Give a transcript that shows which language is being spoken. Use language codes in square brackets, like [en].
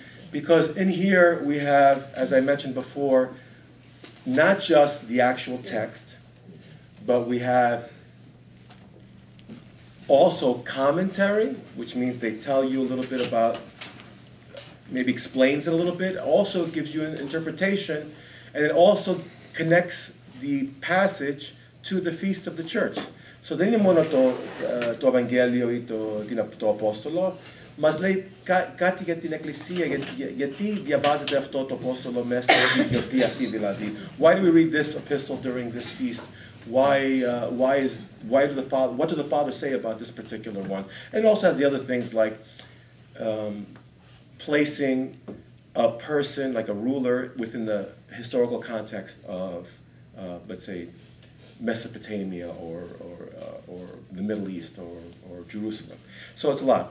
[en] Because in here we have, as I mentioned before, not just the actual text, but we have also commentary, which means they tell you a little bit about, maybe explains it a little bit, also gives you an interpretation, and it also connects the passage to the feast of the church. [el] So δεν είναι μόνο το Ευαγγέλιο ή το Απόστολο, μας λέει κάτι για την Εκκλησία, γιατί διαβάζεται αυτό το Απόστολο μέσα στην γιορτή αυτή, δηλαδή. [en] Why do we read this epistle during this feast? What do the fathers say about this particular one? And it also has the other things like placing a person, like a ruler, within the historical context of, let's say, Mesopotamia or the Middle East or Jerusalem. So it's a lot.